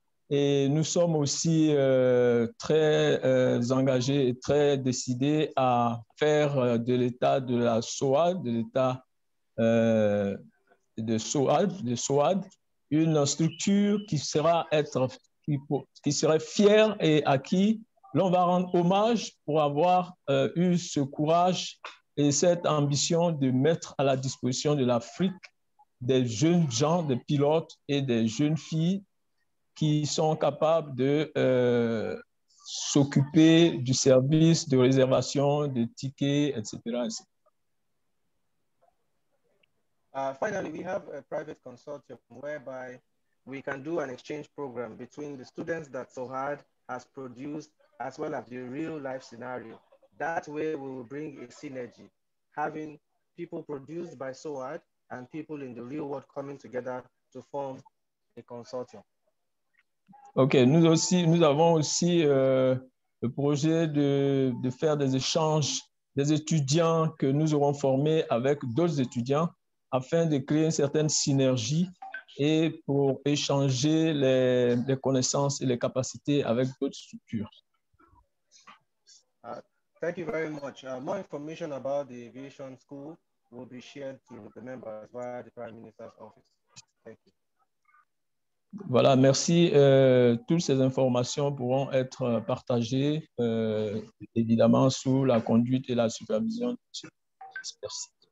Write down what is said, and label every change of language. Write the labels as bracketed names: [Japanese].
[French] Et nous sommes aussi très engagés et très décidés à faire de l'état de la SOAD, de l'état de SOAD, une structure qui serait fière et à qui l'on va rendre hommage pour avoir eu ce courage et cette ambition de mettre à la disposition de l'Afrique des jeunes gens, des pilotes et des jeunes filles qui sont capables de s'occuper du service de réservation, de tickets, etc. [English] Finally, we have a private consortium whereby we can do an exchange program between the students that SOAD has produced as well as the real life scenario. That way we will bring a synergy, having people produced by SOAD and people in the real world coming together to form a consortium. [French] Okay, nous avons aussi le projet de faire des échanges des étudiants que nous aurons formés avec d'autres étudiants afin de créer une certaine synergie et pour échanger les connaissances et les capacités avec d'autres structures. [English] Thank you very much. More information about the aviation school will be shared to the members via the Prime Minister's office. Thank you. [French] Voilà, merci. Toutes ces informations pourront être partagées, évidemment, sous la conduite et la supervision de ces personnes.